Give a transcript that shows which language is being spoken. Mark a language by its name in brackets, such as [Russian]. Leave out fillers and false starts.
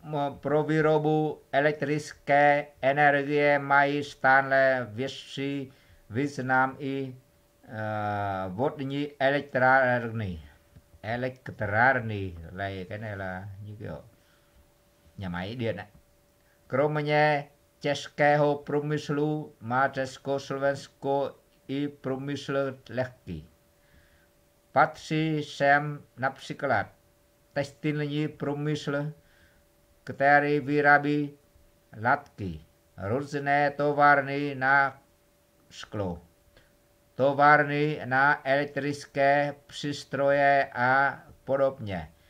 [Czech] Pro výrobu elektrické energie mají stále vyšší význam i vodní elektrárny. [Vietnamese] Elektrárny, này, cái này là như kiểu nhà máy điện ạ. [Czech] Kromě českého průmyslu má Československo i průmysl lehký. Patří sem například textilní průmysl, který vyrábí látky, různé továrny na sklo, továrny na elektrické přístroje a podobně.